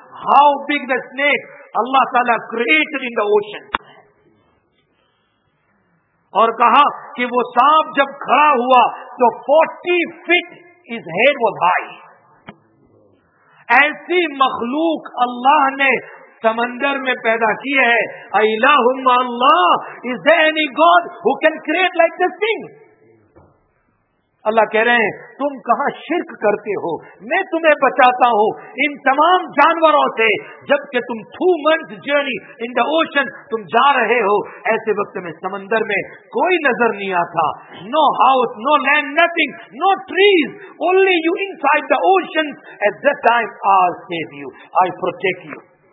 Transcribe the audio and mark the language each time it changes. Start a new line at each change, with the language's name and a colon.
English: How big the snake Allah تعالیٰ created in the ocean.
Urdu: اور کہا کہ وہ سانپ جب کھڑا ہوا تو 40 fit
English: His head was high.
Urdu: ایسی مخلوق اللہ نے سمندر میں پیدا کی ہے. الہم اللہ,
English: Is there any god who can create like this thing?
Urdu: اللہ کہہ رہے ہیں تم کہاں شرک کرتے ہو, میں تمہیں بچاتا ہوں ان تمام جانوروں سے. جبکہ تم
English: 2 months journey in the ocean
Urdu: تم جا رہے ہو, ایسے وقت میں سمندر میں کوئی نظر نہیں آتا.
English: No house, no land, nothing, no trees, only you inside the ocean. At that time I save you, I protect you.